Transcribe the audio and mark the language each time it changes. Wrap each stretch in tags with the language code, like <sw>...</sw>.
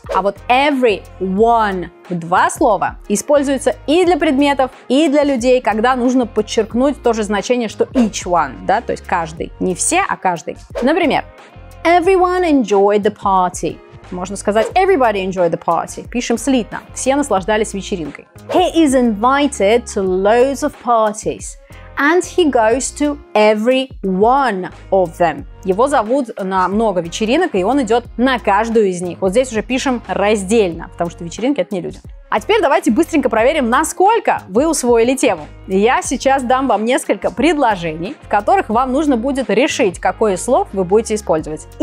<ru>А вот every one в два слова используется и для предметов, и для людей, когда нужно подчеркнуть то же значение, что each one, да, то есть каждый. Не все, а каждый. Например,</ru> <en>everyone enjoyed the party.</en> <ru>Можно сказать</ru> <en>everybody enjoyed the party.</en> <ru>Пишем слитно. Все наслаждались вечеринкой.</ru> <en>He is invited to loads of parties. And he goes to every one of them.</en> <ru>Его зовут на много вечеринок, и он идет на каждую из них. Вот здесь уже пишем раздельно, потому что вечеринки — это не люди. А теперь давайте быстренько проверим, насколько вы усвоили тему. Я сейчас дам вам несколько предложений, в которых вам нужно будет решить, какое из слов вы будете использовать.</ru>